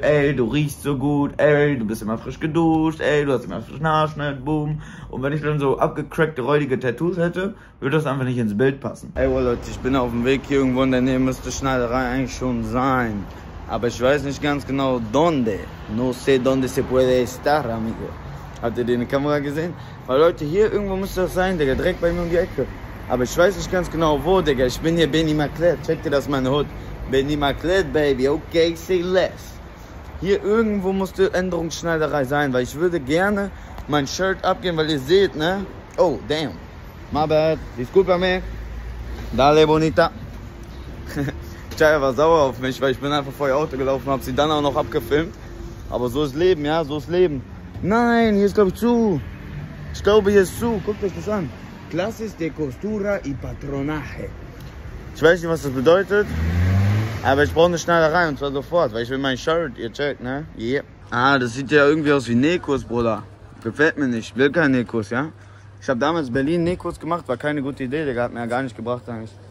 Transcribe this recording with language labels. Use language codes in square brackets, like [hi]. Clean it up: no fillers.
[de] Ey, du riechst so gut. Ey, du bist immer frisch geduscht. Ey, du hast immer frischen Haarschnitt, boom. Und wenn ich dann so abgecrackte, räudige Tattoos hätte, würde das einfach nicht ins Bild passen. Ey, well, Leute, ich bin auf dem Weg hier irgendwo in der Nähe, müsste Schneiderei eigentlich schon sein. Aber ich weiß nicht ganz genau, donde. [es] No sé donde se puede estar, amigo. [de] Habt ihr die in der Kamera gesehen? Weil Leute, hier irgendwo müsste das sein, Digga. Direkt bei mir um die Ecke. Aber ich weiß nicht ganz genau, wo, Digga. Ich bin hier Benny McLeod. Checkt ihr das, meine Hood? Benny McLeod, Baby. Okay, [en] say less. [de] Hier irgendwo musste Änderungsschneiderei sein, weil ich würde gerne mein Shirt abgeben, weil ihr seht, ne? [en] Oh, damn. My bad. [es] Disculpa me. Dale, bonita. [de] Chaya war sauer auf mich, weil ich bin einfach vor ihr Auto gelaufen, hab sie dann auch noch abgefilmt. Aber so ist Leben, ja, so ist Leben. Nein, hier ist glaube ich zu. Ich glaube, hier ist zu. Guckt euch das an. [es] Clases de costura y patronaje. [de] Ich weiß nicht, was das bedeutet, aber ich brauche eine Schneiderei und zwar sofort, weil ich will mein Shirt, ihr checkt, ne? Yeah. Ah, das sieht ja irgendwie aus wie Nekos, Bruder. Gefällt mir nicht. Ich will keinen Nekos, ja? Ich habe damals Berlin Nekos gemacht, war keine gute Idee, der hat mir ja gar nicht gebracht eigentlich.